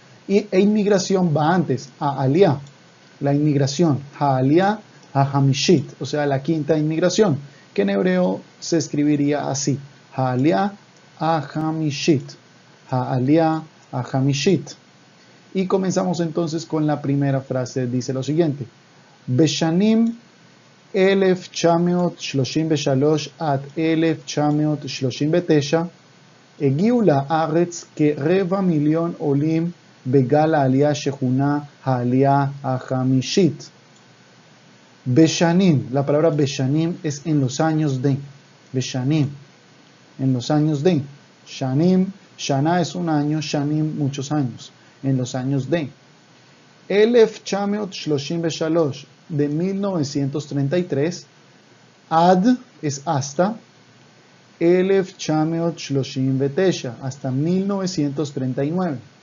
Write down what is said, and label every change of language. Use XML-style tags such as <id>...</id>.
<es>Y e inmigración va antes, a aliá, la inmigración,</es> <he>a aliá, a hamishit,</he> <es>o sea, la quinta inmigración, que en hebreo se escribiría así, a aliá, a hamishit, a aliá, a hamishit. Y comenzamos entonces con la primera frase, dice lo siguiente.</es> <he>Beshanim 1933 at 1939 הגיעו לארץ כרבע מיליון עולים בגל העלייה שכונה העלייה החמישית. בשנים,</he> <es>la palabra בשנים es en los años de. בשנים, en los años de.</es> <he>שנים, שנה</he> <es>es un año, שנים muchos años. En los años de. 1933, de 1933, ad es hasta, 1939, hasta 1939.</es>